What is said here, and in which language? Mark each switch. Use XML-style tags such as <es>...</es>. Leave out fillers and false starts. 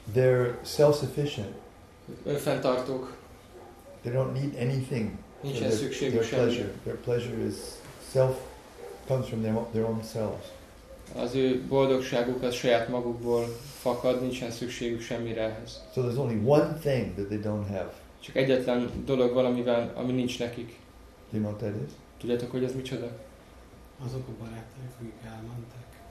<en>They're self-sufficient.</en> <hu>Önfenntartók.</hu> <en>They don't need anything. Their pleasure is self, comes from their own selves.</en> <hu>Az ő boldogságuk az saját magukból fakad, nincsen szükségük semmire ehhez.</hu> <en>So there's only one thing that they don't have.</en> <hu>Csak egyetlen dolog valamivel, ami nincs nekik.</hu> <en>Do you know what that is?</en> <hu>Tudjátok, hogy ez micsoda? Azok a barátok, akik elmentek.</hu>